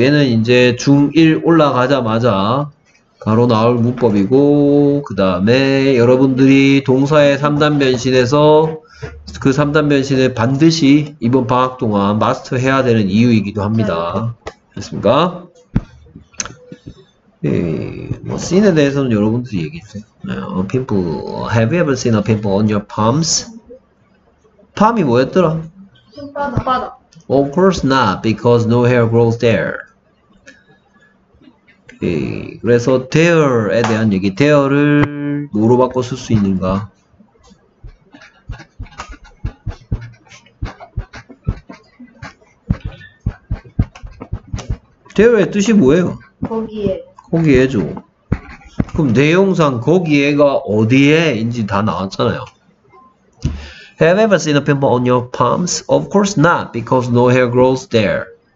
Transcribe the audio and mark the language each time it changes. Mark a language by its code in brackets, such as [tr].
[ko] 얘는 이제 중1 올라가자마자 바로 나올 문법이고 그 다음에 여러분들이 동사의 3단 변신에서 그 3단 변신을 반드시 이번 방학 동안 마스터해야 되는 이유이기도 합니다. 됐습니까? 예, 뭐 씬에 대해서는 여러분들이 얘기해주세요. [en] Pimple. Have you ever seen a pimple on your palms? [ko] Palm이 뭐였더라? 손바닥. [en] Of course not, because no hair grows there. [ko] 예, 그래서 there에 대한 얘기. there를 뭐로 바꿔 쓸 수 있는가? 대어의 뜻이 뭐예요? 거기에. 거기에죠. 그럼 대용상 거기에가 어디에인지 다 나왔잖아요. [en] Have you ever seen a pimple on your palms? Of course not, because no hair grows there.